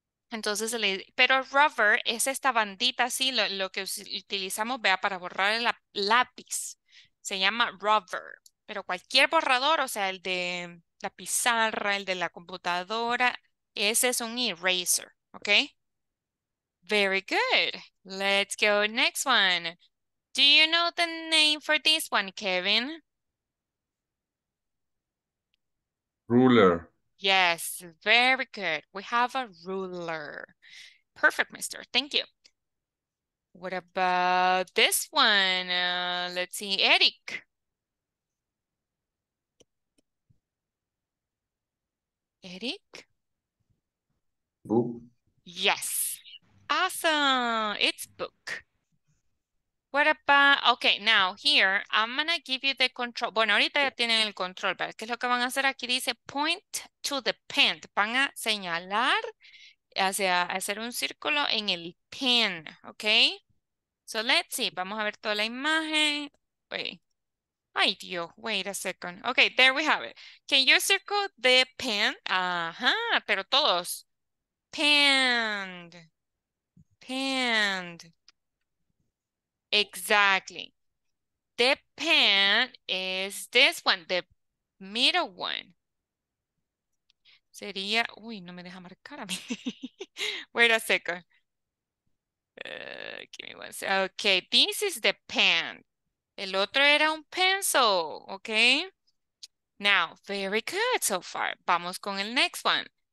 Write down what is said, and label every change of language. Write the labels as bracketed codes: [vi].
[es] Entonces, pero rubber es esta bandita así, lo que utilizamos, vea, para borrar el lápiz. Se llama rubber. Pero cualquier borrador, o sea, el de la pizarra, el de la computadora, ese es un eraser, ¿ok? [en] Very good. Let's go next one. Do you know the name for this one, Kevin? Ruler. Yes, very good. We have a ruler. Perfect, mister. Thank you. What about this one? Let's see, Eric. Eric? Book. Yes. Awesome. It's book. What about, okay, now here, I'm going to give you the control. [es] Bueno, ahorita ya tienen el control, ¿verdad? ¿Qué es lo que van a hacer? Aquí dice [en] point to the pen. [es] Van a señalar, hacia hacer un círculo en el pen, okay? [en] So let's see, [es] vamos a ver toda la imagen. [en] Wait, ay Dios, wait a second. Okay, there we have it. Can you circle the pen? [es] Ajá, pero todos. [en] Pen, pen. Exactly. The pen is this one, the middle one. [es] Sería, uy, no me deja marcar a mí. [en] Wait a second. Give me one second. Okay, this is the pen. [es] El otro era un pencil, [en] okay? Now, very good so far. [es] Vamos con el [en] next one.